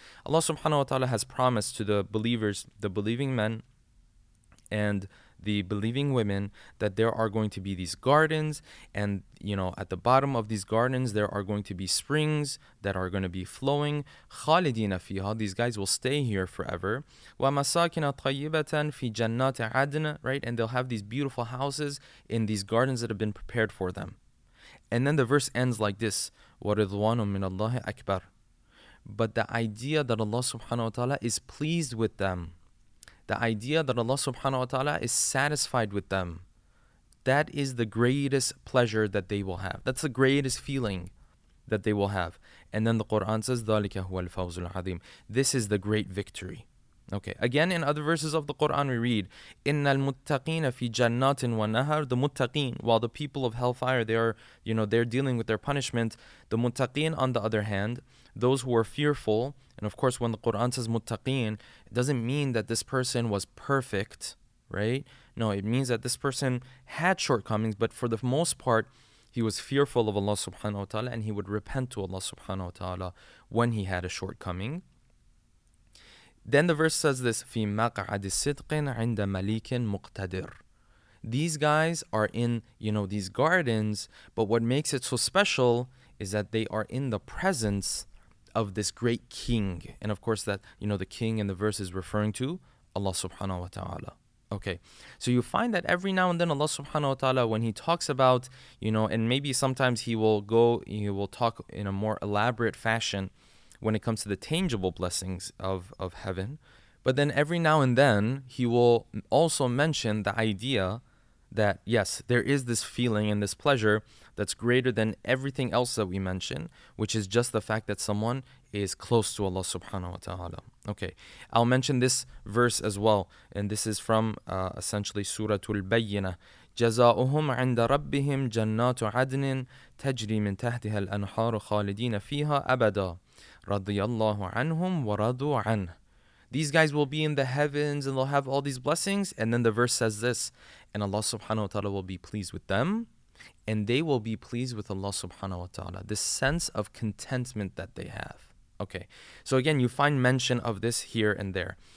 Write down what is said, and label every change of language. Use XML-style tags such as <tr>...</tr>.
<en>Allah subhanahu wa ta'ala has promised to the believers, the believing men and the believing women, that there are going to be these gardens, and, you know, at the bottom of these gardens there are going to be springs that are going to be flowing.</en> <ar>خَالِدِينَ فِيهَا,</ar> <en>these guys will stay here forever.</en> <ar>وَمَسَاكِنَ طَيِّبَةً فِي جَنَّاتِ عَدْنَ, right?</ar> <en>And they'll have these beautiful houses in these gardens that have been prepared for them. And then the verse ends like this,</en> <ar>وَرِضْوَانٌ مِنَ اللَّهِ أَكْبَرُ.</ar> <en>But the idea that Allah subhanahu wa ta'ala is pleased with them, the idea that Allah subhanahu wa ta'ala is satisfied with them, That is the greatest pleasure that they will have. That's the greatest feeling that they will have. And then the Quran says,</en> <ar>ذَلِكَ هُوَ الْفَوْزُ الْعَظِيمُ.</ar> <en>This is the great victory. Okay, again, in other verses of the Quran, we read,</en> <ar>إِنَّ الْمُتَّقِينَ فِي جَنَّاتٍ وَالنَّهَرِ.</ar> <en>The muttaqeen, while the people of hellfire, they are, you know, they're dealing with their punishment. The muttaqeen, on the other hand, those who are fearful, and of course, when the Quran says muttaqeen, it doesn't mean that this person was perfect, right? No, it means that this person had shortcomings, but for the most part, he was fearful of Allah subhanahu wa ta'ala, and he would repent to Allah subhanahu wa ta'ala when he had a shortcoming. Then the verse says this,</en> <ar>فِي مَقْعَدِ صِدْقٍ عِنْدَ مَلِيكٍ مُقْتَدِرٍ.</ar> <en>These guys are in, you know, these gardens, but what makes it so special is that they are in the presence of this great king. And of course that, you know, the king in the verse is referring to Allah subhanahu wa ta'ala. Okay, so you find that every now and then Allah subhanahu wa ta'ala, when he talks about, you know, and maybe sometimes he will talk in a more elaborate fashion when it comes to the tangible blessings of heaven. But then every now and then, he will also mention the idea that, yes, there is this feeling and this pleasure that's greater than everything else that we mention, which is just the fact that someone is close to Allah subhanahu wa ta'ala. Okay, I'll mention this verse as well. And this is from essentially Suratul Bayyinah.</en> <ar>جزاؤهم عند ربهم جنات عدن تجري من تحتها الأنهار خالدين فيها أبدا رضي الله عنهم ورضوا عنه.</ar> <en>These guys will be in the heavens and they'll have all these blessings. And then the verse says this, and Allah subhanahu wa ta'ala will be pleased with them, and they will be pleased with Allah subhanahu wa ta'ala. This sense of contentment that they have. Okay, so again, you find mention of this here and there.</en>